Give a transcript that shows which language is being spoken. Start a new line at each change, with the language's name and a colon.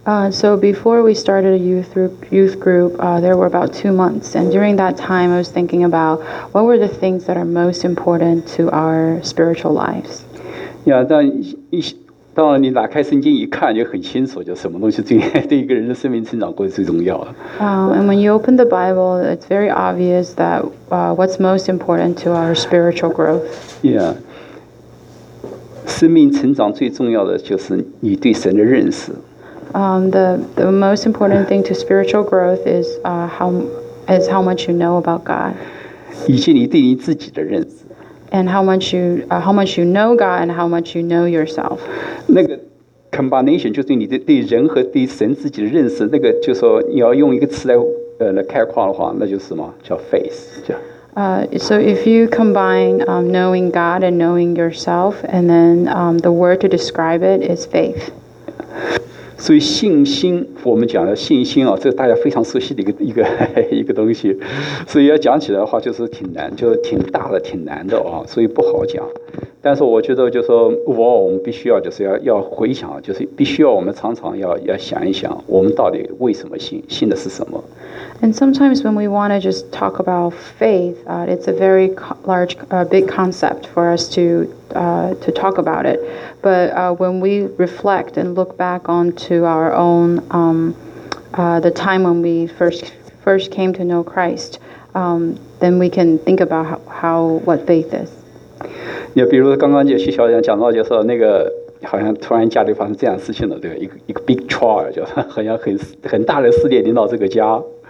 English: So before we started a youth group, there were about 2 months, and during that time, I was thinking about what were the things that are most important to our spiritual lives.
Chinese: Yeah, 当你打开圣经一看就很清楚，就什么东西对一个人的生命成长过程最重要的。
English: And when you open the Bible, it's very obvious that what's most important to our spiritual growth.
Chinese: Yeah, 生命成长最重要的就是你对神的认识。
English: The most important thing to spiritual growth is how much you know about God.
Chinese: 以及你对你自己的认识。
English: And how much you know God and how much you know yourself.
Chinese: 那个 combination 就是你对人和对神自己的认识，那个就是说你要用一个词来概括的话，那就是什么叫 faith？
English: So if you combine knowing God and knowing yourself, and then the word to describe it is faith.
Chinese: 所以信心，我们讲的信心啊，这是大家非常熟悉的一个东西，所以要讲起来的话，就是挺难，就是挺大的，挺难的啊，所以不好讲。但是我觉得，就是说，我们必须要，就是要回想，就是必须要我们常常要想一想，我们到底为什么信，信的是什么。
English: And sometimes when we want to just talk about faith, it's a very large, big concept for us to talk about it. But when we reflect and look back onto our own, the time when we first came to know Christ, then we can think about how what faith is.
Chinese: 你比如刚刚就徐小姐讲到，就是那个好像突然家里发生这样事情了，对吧？一个 big trial， 就好像很大的撕裂临到这个家。